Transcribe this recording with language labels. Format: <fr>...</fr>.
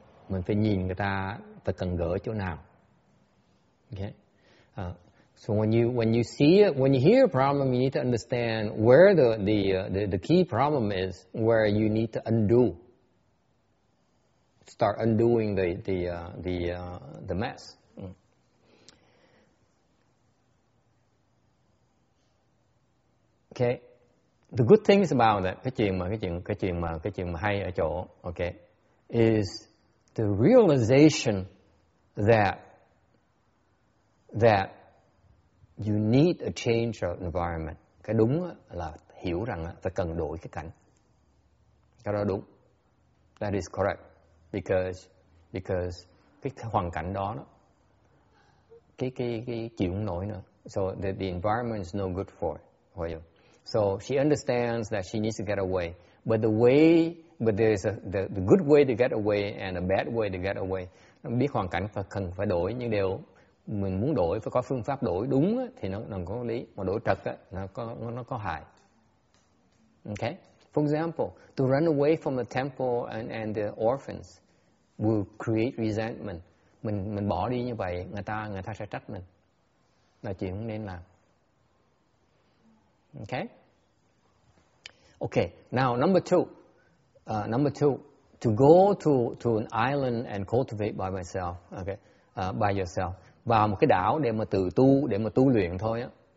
<vi>Mình phải nhìn người ta phải cần gỡ chỗ nào.</vi> <en>Okay. So when you hear a problem, you need to understand where the key problem is, where you need to undo. Start undoing the mess. Okay. The good thing is about that.</en> <vi>Cái chuyện mà hay ở chỗ,</vi> <en>okay, is the realization that you need a change of environment.</en> <vi>Cái đúng là hiểu rằng phải cần đổi cái cảnh. Cái đó đúng.</vi> <en>That is correct. Because</en> <vi>cái hoàn cảnh đó, cái chịu không nổi nữa.</vi> <en>So the environment is no good for you. So she understands that she needs to get away. But there's the good way to get away and a bad way to get away.</en> <vi>Biết hoàn cảnh cần phải đổi những điều. Mình muốn đổi phải có phương pháp đổi đúng á, thì nó có lý, mà đổi trật á, nó có hại.</vi> <en>Okay, for example, to run away from the temple and the orphans, will create resentment.</en> <vi>Mình bỏ đi như vậy, người ta sẽ trách mình. Là chuyện không nên làm.</vi> <en>Okay? Okay, now number two, to go to an island and cultivate by myself, okay, by yourself,</en> <vi>vào một cái đảo để mà tự tu, để mà tu luyện thôi á.</vi>